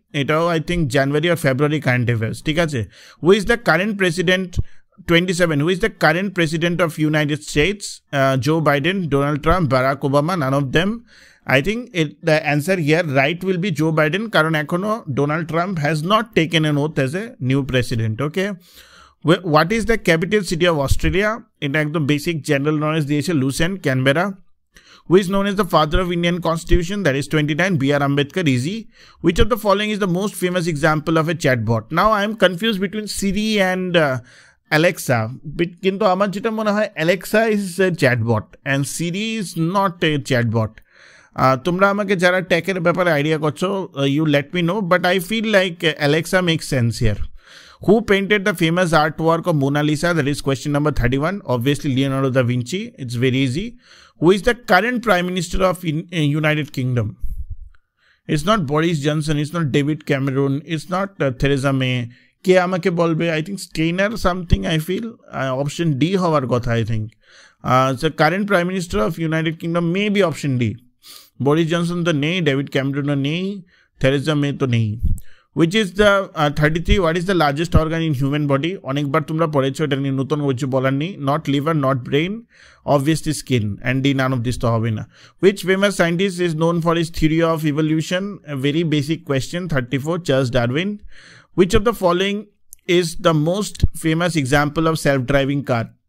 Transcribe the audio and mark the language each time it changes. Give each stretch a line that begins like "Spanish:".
English: এটাও I think January আর February current affairs, ঠিক আছে। Who's the current president 27, who's the current president of United States, Joe Biden, Donald Trump, Barack Obama, none of them. I think it the answer here right will be Joe Biden,
Bangla: কারণ এখনও
English: Donald Trump has not taken an oath as a new president. Okay, what is the capital city of Australia,
Bangla: এটা একদম basic general knowledge দিয়েছে,
English: লুসেন, Canberra. Which is known as the father of Indian constitution, that is 29, B.R. Ambedkar, easy. Which of the following is the most famous example of a chatbot? Now I am confused between Siri and Alexa.
Bangla: কিন্তু আমার যেটা মনে হয়
English: Alexa is a chatbot and Siri is not a chatbot.
Bangla: তোমরা আমাকে যারা টেকের ব্যাপারে idea করছো,
English: you let me know, but I feel like Alexa makes sense here. Who painted the famous artwork of Mona Lisa? That is question number 31. Obviously, Leonardo da Vinci. It's very easy. Who is the current Prime Minister of United Kingdom? It's not Boris Johnson. It's not David Cameron. It's not Theresa May.
Bangla: Ke amake bolbe?
English: I think Steiner something, I feel. Option D
Bangla: howar kotha,
English: I think. So current Prime Minister of United Kingdom may be option D. Boris Johnson to nahi, David Cameron to nahi, Theresa May to nahi. Which is the 33, what is the largest organ in human body?
Bangla: অনেকবার তোমরা পড়েছো এটা নিয়ে, নতুন কিছু বলার নেই।
English: Not liver, not brain, obviously skin, and D, none of this
Bangla: তো হবে না।
English: Which famous scientist is known for his theory of evolution? A very basic question, 34, Charles Darwin. Which of the following is the most famous example of self-driving car?